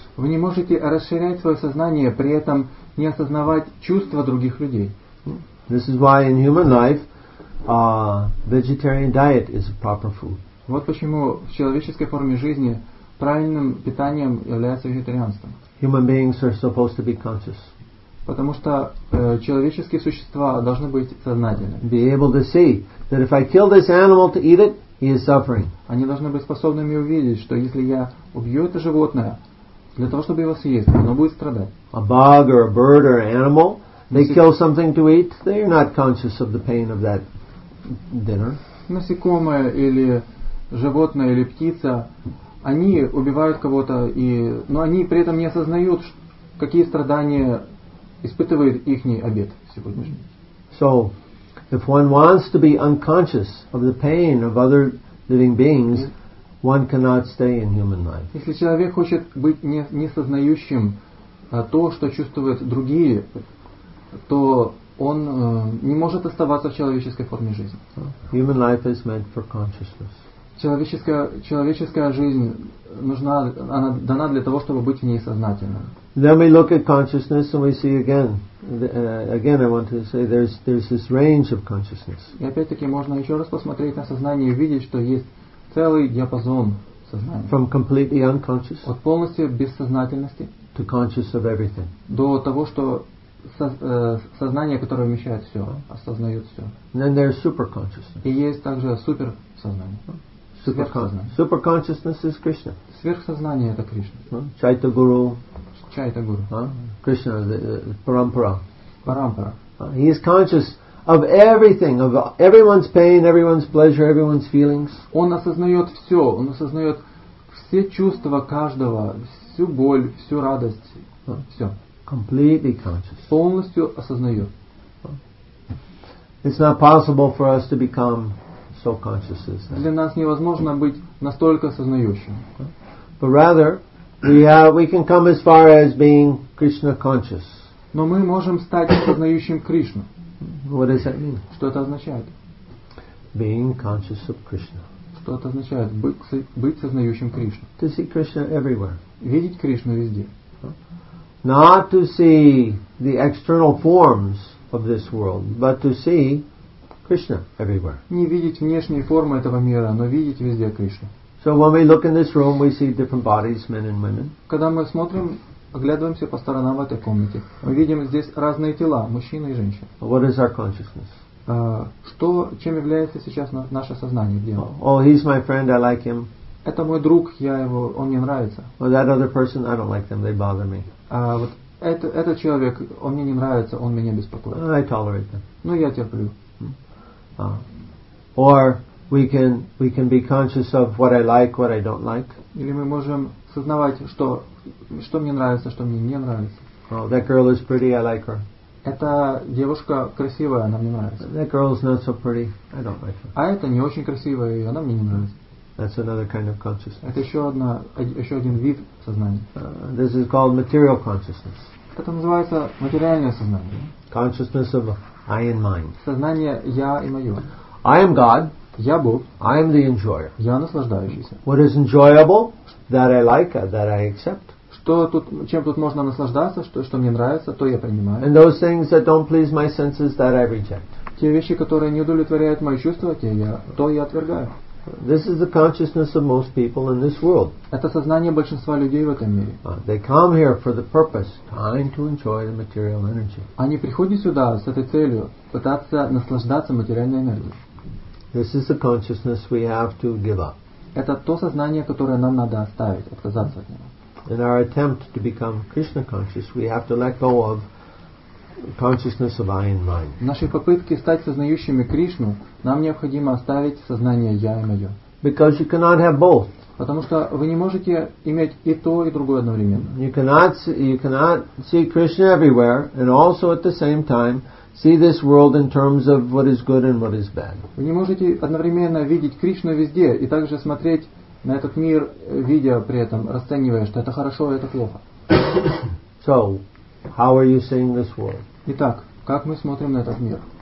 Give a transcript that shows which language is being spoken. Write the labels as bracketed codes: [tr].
[ru] Вы не можете расширять свое сознание при этом не осознавать чувства других людей. [en] This is why in human life, vegetarian diet is a proper food. [ru] Вот почему в человеческой форме жизни правильным питанием является вегетарианство. [en] Human beings are supposed to be conscious. [ru] Потому что человеческие существа должны быть сознательными. [en] Be able to see that if I kill this animal to eat it, he is suffering. [ru] Они должны быть способными увидеть, что если я убью это животное для того, чтобы его съесть, оно будет страдать. [en] A bug or a bird or an animal, they kill something to eat, they are not conscious of the pain of that dinner. [ru] Насекомое или животное или птица, они убивают кого-то, но они при этом не осознают, какие страдания испытывает ихний обед сегодняшний. [en] So, if one wants to be unconscious of the pain of other living beings, one cannot stay in human life. [ru] Если человек хочет быть несознающим то, что чувствуют другие, то он не может оставаться в человеческой форме жизни. [en] Human life is meant for consciousness. [ru] Человеческая жизнь нужна, она дана для того, чтобы быть в ней сознательным. [en] Then we look at consciousness and we see again. Again, I want to say there's this range of consciousness. [ru] И опять-таки можно еще раз посмотреть на сознание и увидеть, что есть целый диапазон сознания. [en] From completely unconscious. [ru] От полностью бессознательности. [en] To conscious of everything. [ru] До того, что сознание, которое вмещает все, осознает все. [en] And then there's super consciousness. [ru] И есть также супер сознание. [en] Super consciousness is Krishna. [ru] Сверхсознание это Кришна. Чайта Гуру. Чайта Гуру. Кришна, парампара. Парампара. [en] He is conscious of everything, of everyone's pain, everyone's pleasure, everyone's feelings. [ru] Он осознает все. Он осознает все чувства каждого, всю боль, всю радость. Все. [en] Completely conscious. [ru] Полностью осознает. [en] It's not possible for us to become so conscious as that. [ru] Для нас невозможно быть настолько сознающим. [en] But rather, we can come as far as being Krishna conscious. [ru] Но мы можем стать сознающим Кришну. [en] What does that mean? [ru] Что это означает? [en] Being conscious of Krishna. [ru] Что это означает? Быть сознающим Кришну. [en] To see Krishna everywhere. [ru] Видеть Кришну везде. [en] Not to see the external forms of this world, but to see Krishna everywhere. [ru] Не видеть внешние формы этого мира, но видеть везде Кришну. [en] So when we look in this room, we see different bodies, men and women. [ru] Когда мы смотрим, оглядываемся по сторонам в этой комнате, мы видим здесь разные тела, мужчины и женщины. [en] What is our consciousness? [ru] Чем является сейчас наше сознание? Где? [en] Oh, he's my friend, I like him. [ru] Это мой друг, он мне нравится. [en] Well, that other person, I don't like them, they bother me. [ru] Этот человек, он мне не нравится, он меня беспокоит. [en] I tolerate them. [ru] Ну, я терплю. [en] Or we can be conscious of what I like, what I don't like. [ru] Или мы можем сознавать, что мне нравится, что мне не нравится. [en] Oh, that girl is pretty, I like her. [ru] Эта девушка красивая, она мне нравится. [en] That girl is not so pretty, I don't like her. [ru] А эта не очень красивая, и она мне не нравится. [en] That's another kind of consciousness. [ru] Это еще один вид сознания. [en] This is called material consciousness. [ru] Это называется материальное сознание. [en] Consciousness of I and mine. [ru] Сознание я и мое. [en] I am God. [ru] Я был. [en] I am the enjoyer. [ru] Я наслаждающийся. [en] What is enjoyable that I like, that I accept? [ru] Что тут, чем тут можно наслаждаться, что, что мне нравится, то я принимаю. [en] And those things that don't please my senses, that I reject. [ru] Те вещи, которые не удовлетворяют мои чувства, те я, то я отвергаю. [en] This is the consciousness of most people in this world. [ru] Это сознание большинства людей в этом мире. [en] They come here for the purpose, trying to enjoy the material energy. [ru] Они приходят сюда с этой целью, пытаться наслаждаться материальной энергией. [en] This is the consciousness we have to give up. [ru] Это то сознание, которое нам надо оставить, отказаться от него. [en] In our attempt to become Krishna conscious, we have to let go of consciousness of I and mine. [ru] В нашей попытке стать сознающими Кришну, нам необходимо оставить сознание я и мое. [en] Because you cannot have both. [ru] Потому что вы не можете иметь и то, и другое одновременно. [en] You cannot see Krishna everywhere and also at the same time see this world in terms of what is good and what is bad. [ru] Вы не можете одновременно видеть Кришну везде и также смотреть на этот мир, видя при этом, расценивая, что это хорошо, это плохо. [en] So, how are you seeing this world? [ru] Итак, как мы смотрим на этот мир?